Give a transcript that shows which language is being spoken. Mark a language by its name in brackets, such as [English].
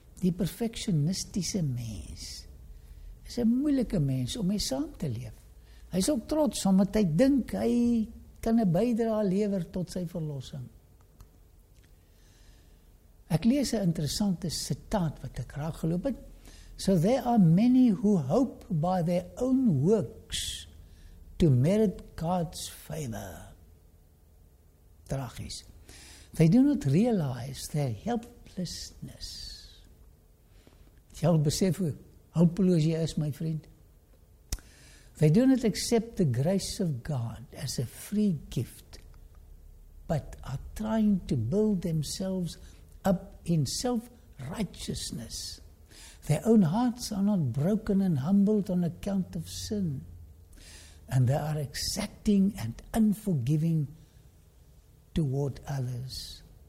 [Afrikaans] Die perfeksionistiese mens is 'n moeilike mens om mee saam te leef. Hy is ook trots omdat hy dink hy kan 'n bydrae lewer tot sy verlossing. Ek lees 'n interessante sitaat wat ek raak geloop het. [English] So there are many who hope by their own works to merit God's favor. Tragies. They do not realize their helplessness. [Afrikaans] Jy al besef hoe hulpeloos jy is, my vriend. [English] They do not accept the grace of God as a free gift, but are trying to build themselves up in self-righteousness. Their own hearts are not broken and humbled on account of sin, and they are exacting and unforgiving toward others.